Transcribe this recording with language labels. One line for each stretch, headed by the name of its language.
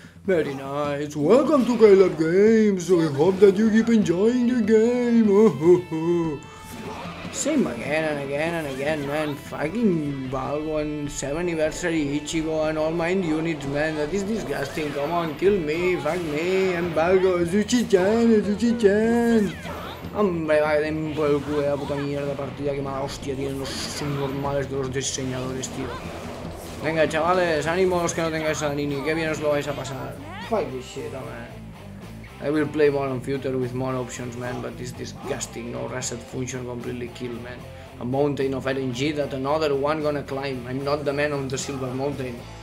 English: Very nice, welcome to klab games. We hope that you keep enjoying the game. Same again and again and again, man. Fucking BALGO and 7th anniversary Ichigo and all my units, man. That is disgusting. Come on, kill me. Fuck me. I'm BALGO. Zuchi-chan.
Spanish: Hombre, vaya de el culo de la puta mierda partida, que mala hostia tienen los subnormales de los diseñadores, tío. Venga, chavales, ánimo los que no tengáis a Nini, que bien os lo vais a pasar.
English: Fuck this shit, man. I will play more on future with more options, man, but it's disgusting. No reset function completely kill, man. A mountain of RNG that another one gonna climb. I'm not the man on the silver mountain.